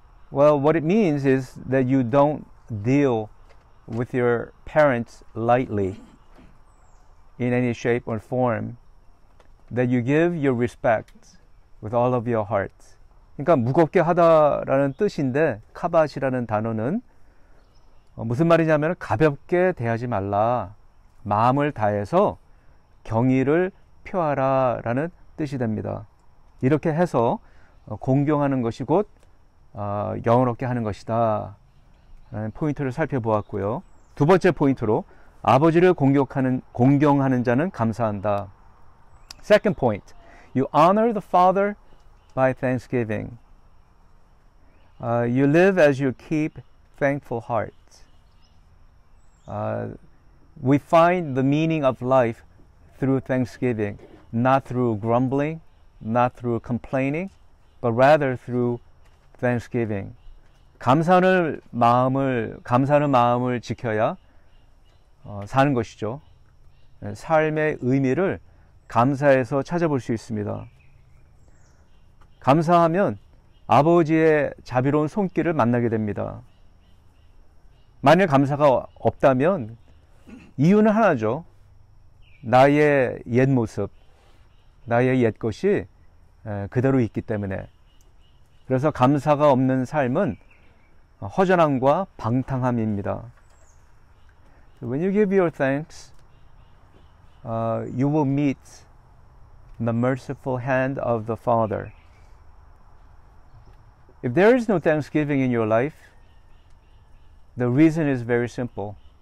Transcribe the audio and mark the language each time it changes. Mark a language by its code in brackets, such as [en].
[en] Well, what it means is that you don't deal with your parents lightly in any shape or form, that you give your respect with all of your heart. [ko] 그러니까 무겁게 하다라는 뜻인데 카바시라는 단어는 무슨 말이냐면 가볍게 대하지 말라. 마음을 다해서 경의를 표하라 라는 뜻이 됩니다. 이렇게 해서 공경하는 것이 곧 영어롭게 하는 것이다 라는 포인트를 살펴보았고요. 두 번째 포인트로 아버지를 공경하는 자는 감사한다. [en] Second point, you honor the Father by thanksgiving. You live as you keep thankful heart. We find the meaning of life through thanksgiving, not through grumbling, not through complaining, but rather through thanksgiving. [ko] 감사하는 마음을 지켜야 사는 것이죠. 삶의 의미를 감사해서 찾아볼 수 있습니다. 감사하면 아버지의 자비로운 손길을 만나게 됩니다. 만일 감사가 없다면 이유는 하나죠. 나의 옛 모습, 나의 옛 것이 그대로 있기 때문에. 그래서 감사가 없는 삶은 허전함과 방탕함입니다. [en] When you give your thanks, you will meet the merciful hand of the Father. If there is no thanksgiving in your life, the reason is very simple.